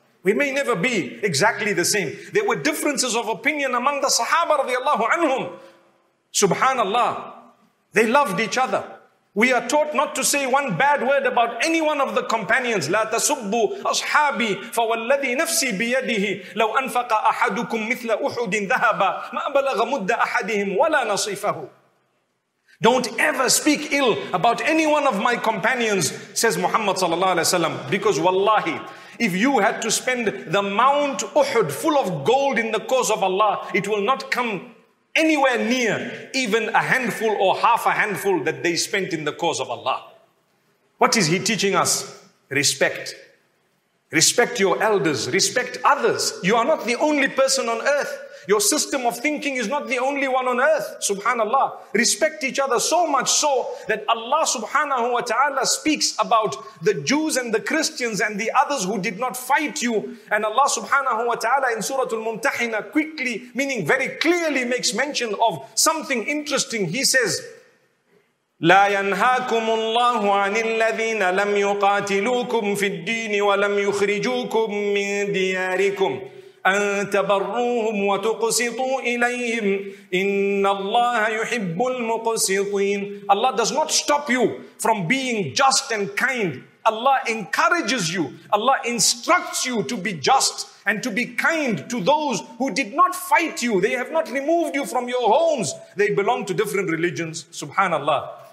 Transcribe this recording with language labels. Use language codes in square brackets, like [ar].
[en] We may never be exactly the same. There were differences of opinion among the Sahaba radiallahu anhum. Subhanallah. They loved each other. We are taught not to say one bad word about any one of the companions. [ar] لا تسبوا أصحابي فوالذي نفسي بيده لو أنفق أحدكم مثل أحد ذهبا ما بلغ مد أحدهم ولا نصيفه. [en] Don't ever speak ill about any one of my companions, says Muhammad sallallahu alaihi wasallam, because wallahi, if you had to spend the Mount Uhud full of gold in the cause of Allah, it will not come anywhere near even a handful or half a handful that they spent in the cause of Allah. What is he teaching us? Respect. Respect your elders, respect others. You are not the only person on earth. Your system of thinking is not the only one on earth. Subhanallah. Respect each other so much so that Allah subhanahu wa ta'ala speaks about the Jews and the Christians and the others who did not fight you. And Allah subhanahu wa ta'ala in Surah Al-Mumtahina quickly, meaning very clearly, makes mention of something interesting. He says, [ar] لا ينهاكم الله عن الذين لم يقاتلوكم في الدين ولم يخرجوكم من دياركم أن تبروهم وتقسطوا إليهم إن الله يحب المقسطين. [en] Allah does not stop you from being just and kind. Allah encourages you. Allah instructs you to be just and to be kind to those who did not fight you. They have not removed you from your homes. They belong to different religions. Subhanallah.